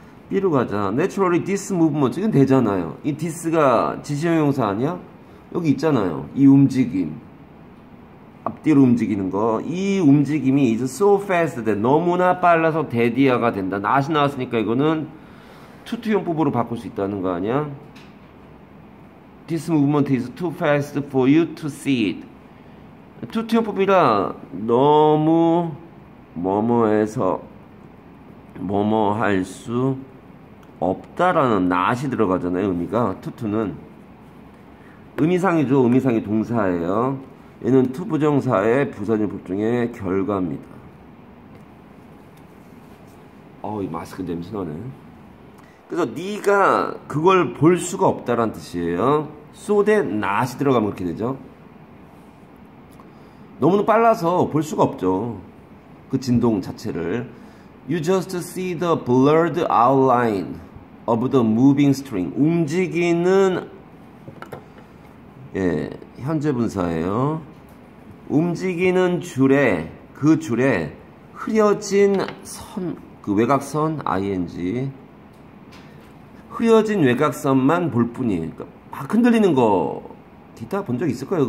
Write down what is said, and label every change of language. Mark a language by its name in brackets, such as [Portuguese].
[Korean] B로 가자. Naturally, this movement. 이건 되잖아요. 이 this가 지시형용사 아니야? 여기 있잖아요. 이 움직임. 앞뒤로 움직이는 거. 이 움직임이 is so fast that 너무나 빨라서 대디아가 된다. not이 나왔으니까 이거는 투투형법으로 바꿀 수 있다는 거 아니야? [English] This movement is too fast for you to see it. [Korean] 투투형법이라 너무 뭐뭐해서 뭐뭐 할수 없다라는 not이 들어가잖아요, 의미가. 투투는 의미상이죠. 의미상이 동사예요. 얘는 투 부정사의 부사전법 중에 결과입니다. 어우, 이 마스크 냄새 나네. 그래서 네가 그걸 볼 수가 없다란 뜻이에요. so that not이 들어가면 그렇게 되죠. 너무 빨라서 볼 수가 없죠, 그 진동 자체를. [English] You just see the blurred outline of the moving string. [Korean] 움직이는, 예, 현재 분사예요. 움직이는 줄에, 그 줄에 흐려진 선, 그 외곽선, ing. 흐려진 외곽선만 볼 뿐이에요. 그러니까 막 흔들리는 거, 기타 본적 있을까요?